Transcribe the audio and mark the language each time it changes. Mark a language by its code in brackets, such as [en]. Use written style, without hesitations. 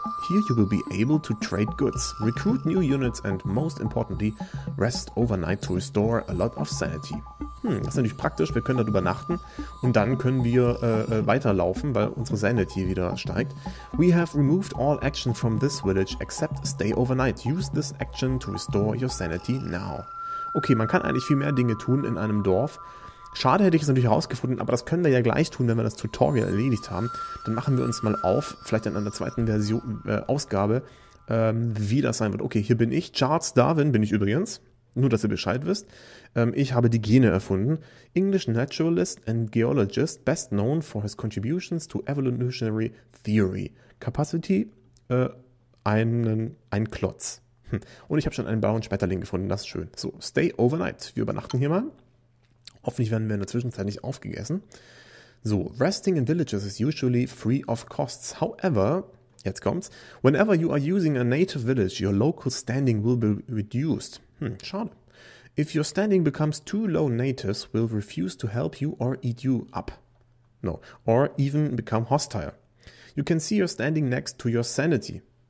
[en] Here you will be able to trade goods, recruit new units and most importantly, rest overnight to restore a lot of sanity. [de] Das ist natürlich praktisch, wir können dort übernachten und dann können wir weiterlaufen, weil unsere Sanity wieder steigt. [en] We have removed all action from this village except stay overnight. Use this action to restore your sanity now. [de] Okay, man kann eigentlich viel mehr Dinge tun in einem Dorf. Schade, hätte ich es natürlich herausgefunden, aber das können wir ja gleich tun, wenn wir das Tutorial erledigt haben. Dann machen wir uns mal auf, vielleicht in einer zweiten Version, Ausgabe, wie das sein wird. Okay, hier bin ich. Charles Darwin bin ich übrigens. Nur, dass ihr Bescheid wisst. Ich habe die Gene erfunden. [en] English naturalist and geologist, best known for his contributions to evolutionary theory. [de] Capacity, ein Klotz. Und ich habe schon einen blauen Schmetterling gefunden, das ist schön. So, [en] stay overnight. [de] Wir übernachten hier mal. Hoffentlich werden wir in der Zwischenzeit nicht aufgegessen. [en] So, resting in villages is usually free of costs. However, [de] jetzt kommt's, [en] whenever you are using a native village, your local standing will be reduced. [de] Schade. [en] If your standing becomes too low, natives will refuse to help you or eat you up. No, or even become hostile. You can see your standing next to your sanity.